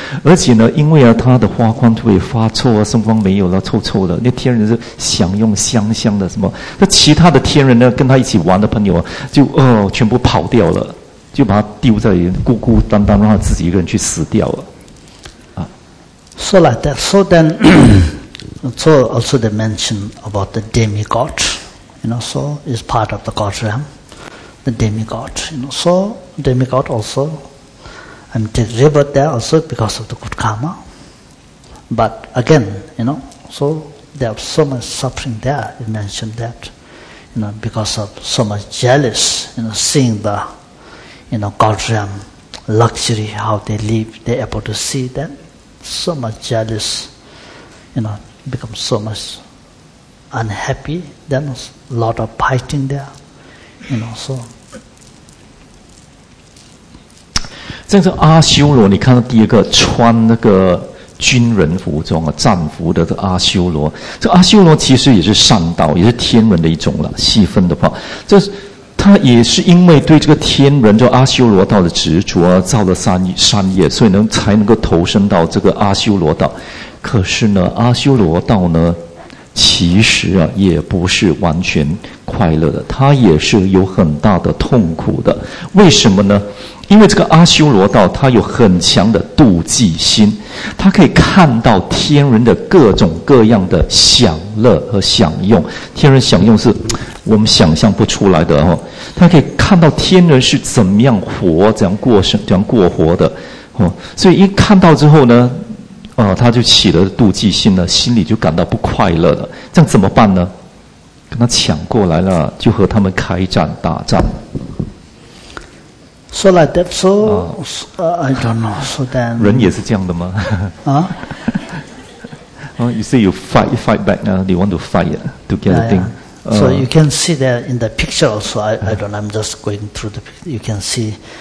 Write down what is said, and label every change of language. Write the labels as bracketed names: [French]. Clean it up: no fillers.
[Chinese] 而且呢，因为他的花冠突然发臭啊，圣光没有了，臭臭的，那天人是享用香香的什么，那其他的天人呢，跟他一起玩的朋友就全部跑掉了，就把他丢在孤孤单单，让他自己一个人去死掉了。 [English] So like that. So then, so also they mention about the demigod, you know, so is part of the god realm, the demigod, you know. So demigod also, delivered there also because of the good karma. But again, you know, so there was so much suffering there, you mentioned that, you know, because of so much jealous, you know, seeing the, you know, god realm luxury, how they live, they're able to see that. So much jealous, you know, become so much unhappy. Then a lot of fighting there, you know. So, [Chinese] 这个阿修罗，你看到第一个穿那个军人服装啊，战服的这阿修罗，这阿修罗其实也是善道，也是天人的一种了。细分的话，这是。他也是因为对这个天人叫阿修罗道的执着啊，造了三业，所以才能够投身到这个阿修罗道。可是呢，阿修罗道呢，其实啊也不是完全快乐的，他也是有很大的痛苦的。为什么呢？因为这个阿修罗道他有很强的妒忌心，他可以看到天人的各种各样的享乐和享用。天人享用是我们想象不出来的，他可以看到天人是怎么样活，怎样过活的。所以一看到之后呢，他就起了妒忌心了，心里就感到不快乐了。这样怎么办呢？跟他抢过来了，就和他们开战大战。 [English] So like that, so, I don't know, so then... [Chinese] 人也是这样的吗？ [English] You say you fight back now, you want to fight to get a thing. So you can see that in the picture also, I don't know, I'm just going through the picture, you can see.